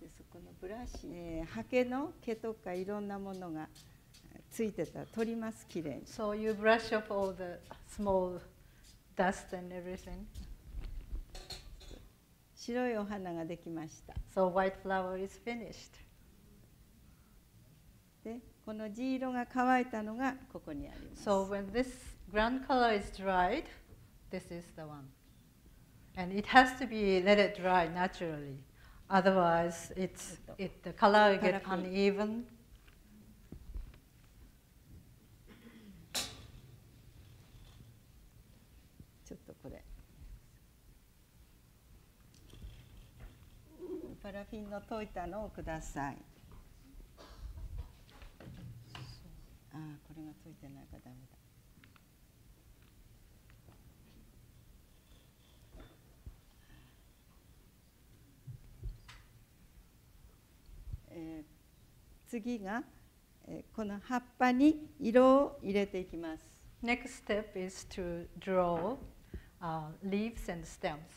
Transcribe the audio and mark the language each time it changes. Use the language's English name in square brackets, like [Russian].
[Japanese] このブラシ、ハケの毛とかいろんなものがついてたら取ります、きれいに。 [English] So you brush up all the small dust and everything. [Japanese] 白いお花ができました。 [English] So white flower is finished. [Japanese] で、この地色が乾いたのがここにあります。 [English] So when this ground color is dried, this is the one. And it has to be let it dry naturally. Otherwise, the color will get uneven. [Japanese] ちょっとこれ。パラフィンの溶いたのをください。ああ、これが溶いてないかダメだ。次が、この葉っぱに色を入れていきます。 [English] Next step is to draw leaves and stems.